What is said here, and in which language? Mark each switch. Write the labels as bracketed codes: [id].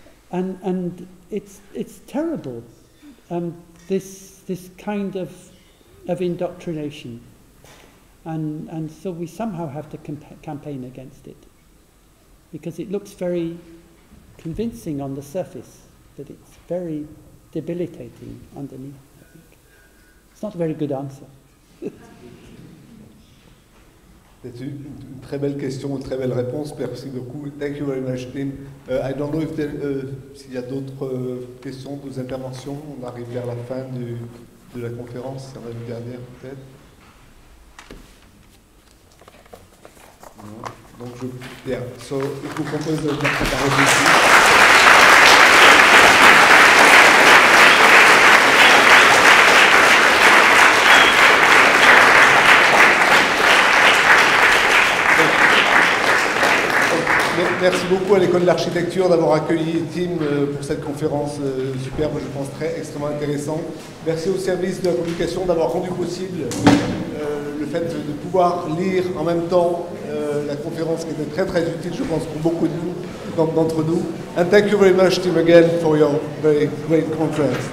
[en] and it's terrible, this kind of indoctrination, and so we somehow have to campaign against it, because it looks very convincing on the surface, but it's very debilitating underneath, I think. It's not a very good answer. [fr] C'est une très belle question, une très belle réponse. Merci beaucoup. [en] Thank you very much, Tim. I don't know [fr] s'il y a d'autres questions, d'autres interventions. On arrive vers la fin de la conférence. Ça va être dernière, peut-être. Donc, je vous propose de venir préparer ici. Merci beaucoup à l'École de l'architecture d'avoir accueilli Tim pour cette conférence superbe, je pense très extrêmement intéressante. Merci au service de la communication d'avoir rendu possible le fait de pouvoir lire en même temps la conférence, qui était très très utile, je pense, pour beaucoup de nous, d'entre nous. [en] And thank you very much, Tim, again, for your very great conference.